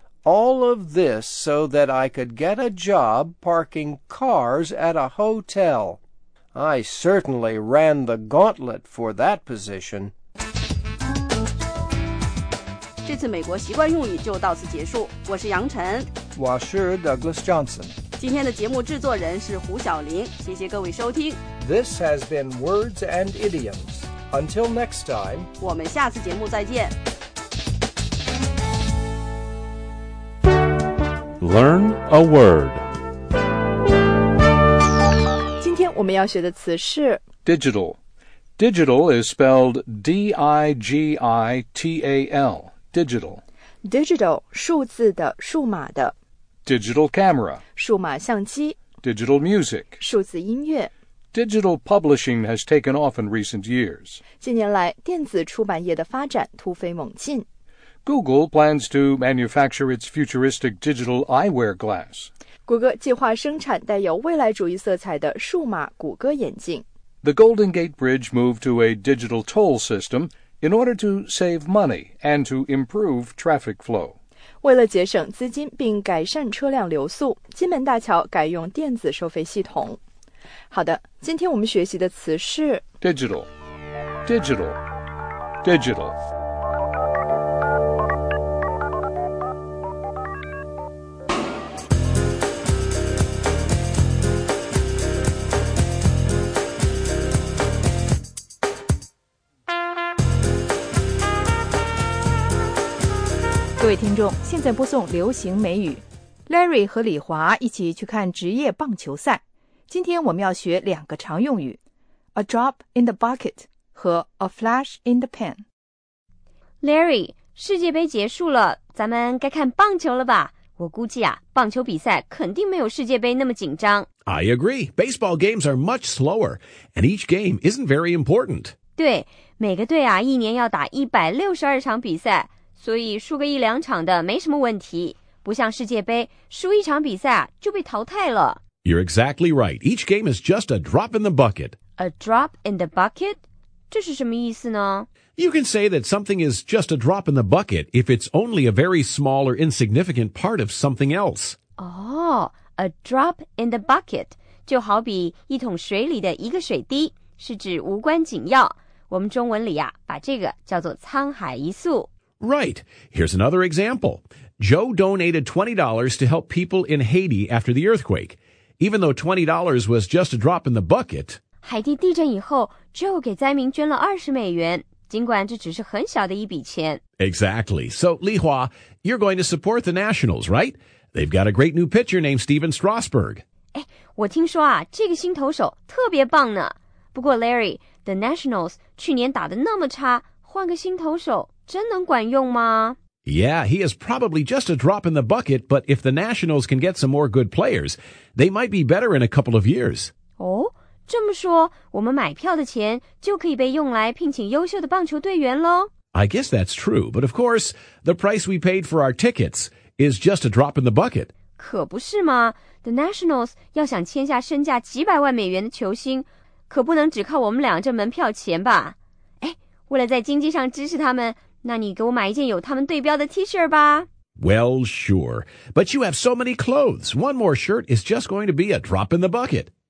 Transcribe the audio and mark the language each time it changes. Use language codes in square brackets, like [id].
[en] All of this so that I could get a job parking cars at a hotel. I certainly ran the gauntlet for that position. [zh] 这次美国习惯用语就到此结束，我是杨晨，我是 Douglas Johnson，今天的节目制作人是胡晓玲，谢谢各位收听。 [en] This has been Words and Idioms. Until next time， [zh] 我们下次节目再见。 [en] Learn a word， [zh] 今天我们要学的词是 [en] Digital. Digital is spelled D-I-G-I-T-A-L. Digital. [zh] Digital, 数字的，数码的。 [en] Digital camera, [zh] 数码相机。 [en] Digital music, [zh] 数字音乐。 [en] Digital publishing has taken off in recent years. [zh] 近年来，电子出版业的发展突飞猛进。 [en] Google plans to manufacture its futuristic digital eyewear glass. [zh] 谷歌计划生产带有未来主义色彩的数码谷歌眼镜。 [en] The Golden Gate Bridge moved to a digital toll system,in order to save money and to improve traffic flow. [zh] 为了节省资金并改善车辆流速，金门大桥改用电子收费系统。好的，今天我们学习的词是 [en] Digital, digital, digital. [zh] 各位听众，现在播送流行美语。Larry 和李华一起去看职业棒球赛。今天我们要学两个常用语， [en] A drop in the bucket [zh] 和 [en] A flash in the pan。 [zh] Larry， 世界杯结束了，咱们该看棒球了吧？我估计啊，棒球比赛肯定没有世界杯那么紧张。 [en] I agree. Baseball games are much slower and each game isn't very important. [zh] 对，每个队啊，一年要打162场比赛，所以输个一两场的没什么问题，不像世界杯，输一场比赛就被淘汰了。 [en] You're exactly right. Each game is just a drop in the bucket. A drop in the bucket? [zh] 这是什么意思呢？ [en] You can say that something is just a drop in the bucket if it's only a very small or insignificant part of something else. Oh, a drop in the bucket. [zh] 就好比一桶水里的一个水滴，是指无关紧要。我们中文里啊，把这个叫做沧海一粟。 [en] Right. Here's another example. Joe donated $20 to help people in Haiti after the earthquake. Even though $20 was just a drop in the bucket. [zh] 海地地震以后 ,Joe 给灾民捐了$20,尽管这只是很小的一笔钱。 [en] Exactly. So, Li Hua, you're going to support the Nationals, right? They've got a great new pitcher named Steven Strasburg. [zh] 哎，我听说啊，这个新投手特别棒呢。不过 Larry, the Nationals 去年打得那么差，换个新投手真能管用吗？ [en] Yeah, he is probably just a drop in the bucket, but if the Nationals can get some more good players, they might be better in a couple of years. [zh] 哦，这么说，我们买票的钱就可以被用来聘请优秀的棒球队员咯？ [en] I guess that's true, but of course, the price we paid for our tickets is just a drop in the bucket. [zh] 可不是吗？ The Nationals 要想签下身价几百万美元的球星，可不能只靠我们俩这门票钱吧？哎，为了在经济上支持他们，那你给我买一件有他们对标的 T 恤吧。 [en] Well, sure. But you have so many clothes. One more shirt is just going to be a drop in the bucket.